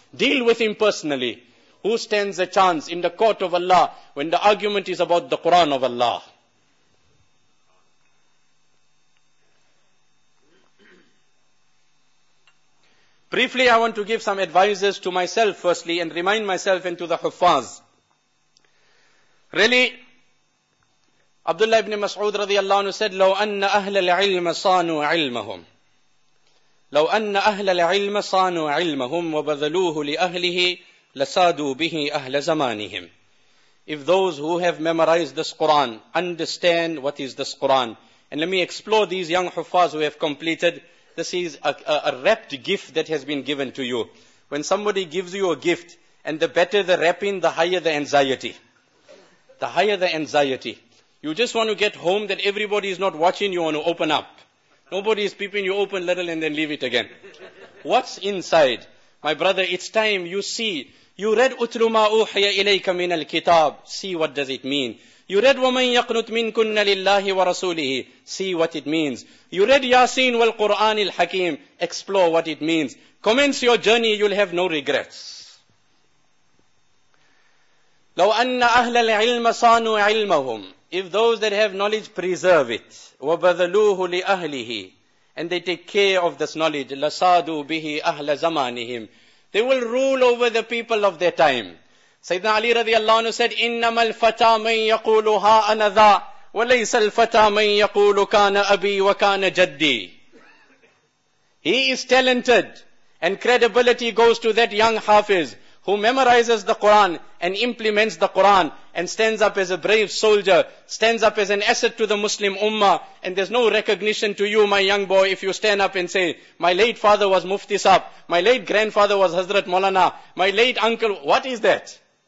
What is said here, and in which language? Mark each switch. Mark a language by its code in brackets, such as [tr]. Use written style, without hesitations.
[en] Deal with him personally. Who stands a chance in the court of Allah when the argument is about the Quran of Allah? Briefly, I want to give some advices to myself firstly and remind myself and to the Huffaz. Really, Abdullah ibn Mas'ud radiyallahu anhu said, [ar] لَوْ أَنَّ أَهْلَ الْعِلْمَ صَانُوا عِلْمَهُمْ لَوْ أَنَّ أَهْلَ الْعِلْمَ صَانُوا عِلْمَهُمْ وَبَذَلُوهُ لِأَهْلِهِ لَسَادُوا بِهِ أَهْلَ زَمَانِهِمْ. [en] If those who have memorized this Quran understand what is this Quran. And let me explore these young Huffaz who have completed. This is a wrapped gift that has been given to you. When somebody gives you a gift, and the better the wrapping, the higher the anxiety. The higher the anxiety. You just want to get home that everybody is not watching, you want to open up. Nobody is peeping, you open little and then leave it again. What's inside? My brother, it's time you see. You read [ar] Utlu ma uhiya ilayka min al-kitab. [en] See what does it mean. You read [ar] وَمَنْ يَقْنُتْ مِنْكُنَّ لِلَّهِ وَرَسُولِهِ. [en] See what it means. You read Yasin [ar] والقرآن الحكيم. [en] Explore what it means. Commence your journey, you'll have no regrets. [ar] لو أن أهل العلم صانوا علمهم. [en] If those that have knowledge preserve it, [ar] وبذلوه لأهله, [en] and they take care of this knowledge, [ar] لصادوا به أهل زمانهم. [en] They will rule over the people of their time. Sayyidina Ali radiallahu anhu said, [ar] إنما الفتى من يقول ها أنا ذا وليس الفتى من يقول كان أبي وكان جدي. [en] He is talented, and credibility goes to that young Hafiz who memorizes the Quran and implements the Quran and stands up as a brave soldier, stands up as an asset to the Muslim Ummah, and there's no recognition to you, my young boy, if you stand up and say, my late father was Mufti Sahib, my late grandfather was Hazrat Maulana, my late uncle, what is that?